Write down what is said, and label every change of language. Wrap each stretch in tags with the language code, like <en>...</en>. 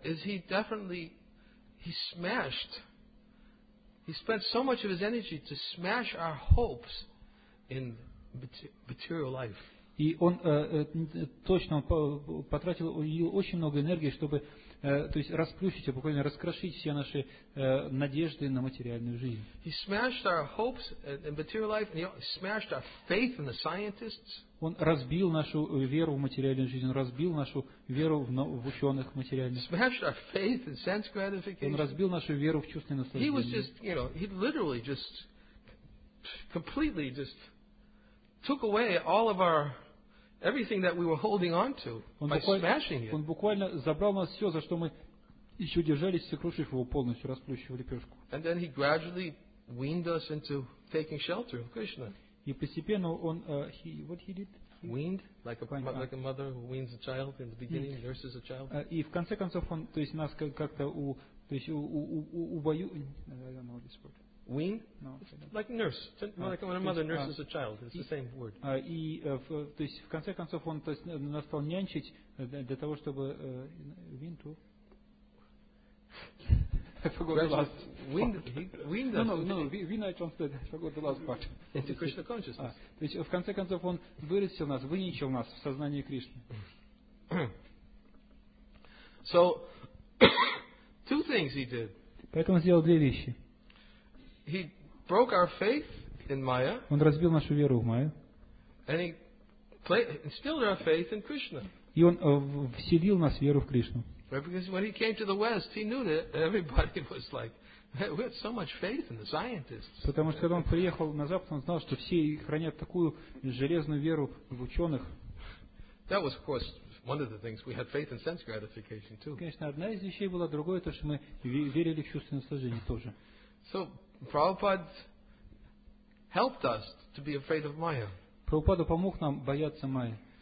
<en>Is he definitely smashed. He spent so much of his energy to smash our hopes in material life.</en> <ru>И он точно потратил очень много энергии, чтобы, то есть, расплющить, буквально раскрошить все наши надежды на материальную жизнь.</ru> <en>He smashed our hopes in material life, and he smashed our faith in the scientists.</en> <ru>Он разбил нашу веру в материальную жизнь, он разбил нашу веру в ученых материальных.</ru> <en>Smashed our faith in sense gratification.</en> <ru>Он разбил нашу веру в чувственное наслаждение.</ru> <en>He was just, you know, he literally just completely just took away all of our everything that we were holding on to by smashing it.</en> <ru>Он буквально забрал у нас все, за что мы еще держались, сокрушив его полностью, расплющив лепешку.</ru> <en>And then he gradually weaned us into taking shelter of Krishna.</en> <ru>И постепенно он,</ru> <en>he, what he did? Weaned, like a mother who weans a child in the beginning, nurses a child.</en> <ru>И в конце концов он, то есть нас как-то у, то есть убою.</ru> <en>I don't know this word. Wean? No, like nurse. Like when a mother nurses a child. It's the same word.</en> <ru>И, то есть, в конце концов, он нас стал нянчить для того, чтобы...</ru> <en>Wean too? I forgot the last part. Wean, I translated. I forgot the last part. Into Krishna consciousness.</en> <ru>То есть, в конце концов, он вырастил нас, выничил нас в сознании Кришны.</ru> <en>So, two things he did.</en> <ru>Поэтому он сделал две вещи.</ru> <en>He broke our faith in Maya.</en> <ru>Он разбил нашу веру в Майю.</ru> <en>And he instilled our faith in Krishna.</en> <ru>И он вселил нас веру в Кришну.</ru> <en>Right, because when he came to the West, he knew that everybody was like, we had so much faith in the scientists.</en> <ru>Потому что когда он приехал на Запад, он знал, что все хранят такую железную веру в ученых.</ru> <en>That was, of course, one of the things we had faith in sense gratification too.</en> <ru>Конечно, одна из вещей была другое, то что мы верили в чувственное наслаждение тоже.</ru> <en>So Prabhupada helped us to be afraid of Maya.</en> <ru>Прабхупада помог нам бояться Майи.</ru>